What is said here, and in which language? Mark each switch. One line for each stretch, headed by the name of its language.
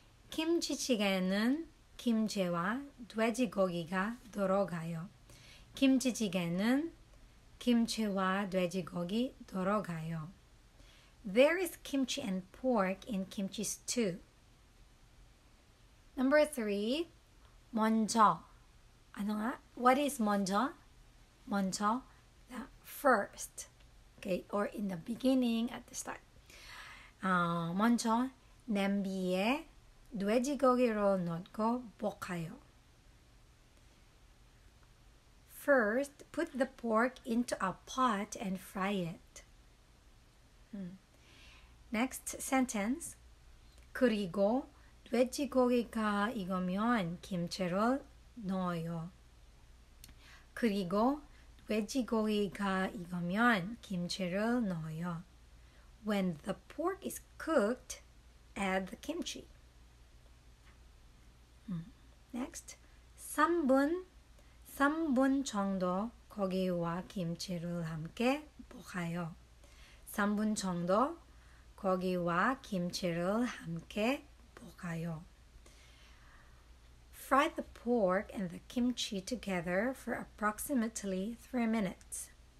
Korean: 김치찌개는 김치와 돼지고기가 들어가요. 김치찌개는 김치와 돼지고기 들어가요.
English: There is kimchi and pork in kimchi stew. Number three,
Korean: 먼저. 안녕하?
English: What is 먼저? 먼저, the first. Okay, or in the beginning, at the start.
Korean: 먼저 냄비에 돼지고기를 넣고 볶아요.
English: First, put the pork into a pot and fry it. Next sentence.
Korean: 그리고 돼지고기가 익으면 김치를 넣어요. 그리고 돼지고기가 익으면 김치를 넣어요.
English: When the pork is cooked, add the kimchi.
Korean: Next, 3분 정도 고기와 김치를 함께 볶아요. 3분 정도 고기와 김치를 함께 볶아요.
English: Fry the pork and the kimchi together for approximately 3 minutes.